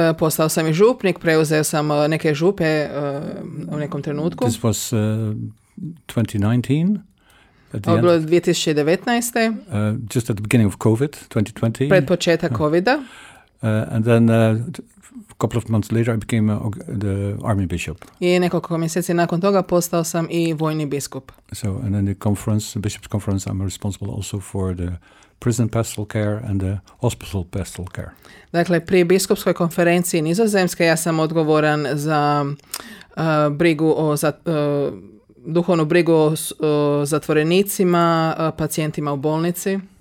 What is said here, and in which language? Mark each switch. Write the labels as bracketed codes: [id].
[hr] Postao sam i župnik, preuzeo sam neke župe u nekom trenutku. [en] This was 2019. [hr] Ovo je 2019. [en] Just at the beginning of COVID, 2020. [hr] Pred početak COVID-a. [en] And then a couple of months later I became the army bishop. [hr] I nekoliko mjeseci nakon toga postao sam i vojni biskup. [en] So, and then the conference, the bishop's conference, I'm responsible also for the prison pastoral care and the hospital pastoral care. [hr] Dakle, pri biskupskoj konferenciji Nizozemske ja sam odgovoran za brigu o duhovnu brigu o zatvorenicima, pacijentima u bolnici.